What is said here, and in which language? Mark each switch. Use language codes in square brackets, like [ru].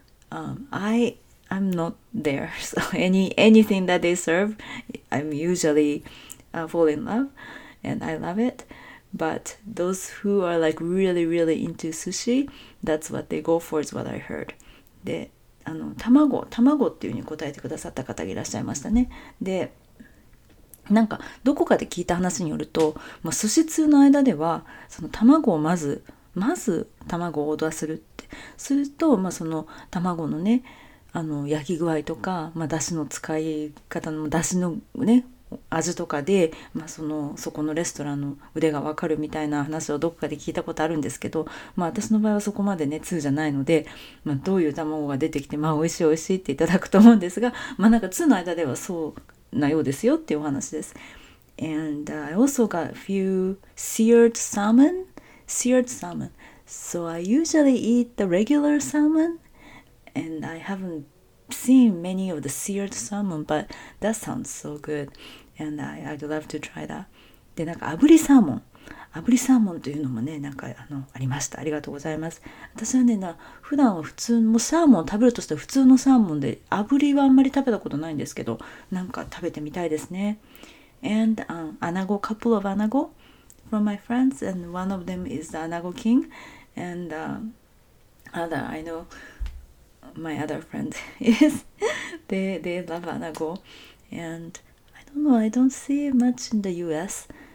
[en] I'm not there, so anything that they serve, I'm usually fall in love, and I love it. But those who are like really, really into sushi, that's what they go for, is what I heard. [ja] で、卵っていうふうに答えてくださった方がいらっしゃいましたね。で、なんかどこかで聞いた話によると、まあ、寿司通の間ではその卵をまず卵をオーダーするって。すると、まあ、その卵のね、焼き具合とか、まあ、出汁の使い方の出汁のね、味とかで、まあ、そこのレストランの腕が分かるみたいな話をどこかで聞いたことあるんですけど、まあ、私の場合はそこまでね通じゃないので、まあ、どういう卵が出てきて、まあ、美味しい美味しいっていただくと思うんですが、まあ、なんか通の間ではそうなようですよっていうお話です。 [en] And I also got a few seared salmon. So I usually eat the regular salmon, and I haven'tseen many of the seared salmon, but that sounds so good, and I'd love to try that. [ja] で、なんか炙りサーモンというのもね、なんかありました。ありがとうございます。私はね、普段は普通のサーモンを食べるとしたら普通のサーモンで、炙りはあんまり食べたことないんですけど、なんか食べてみたいですね。 [en] And anago, couple of anago from my friends, and one of them is the anago king, and other I knowMy other friend is, they love anago, and I don't know, I don't see much in the US.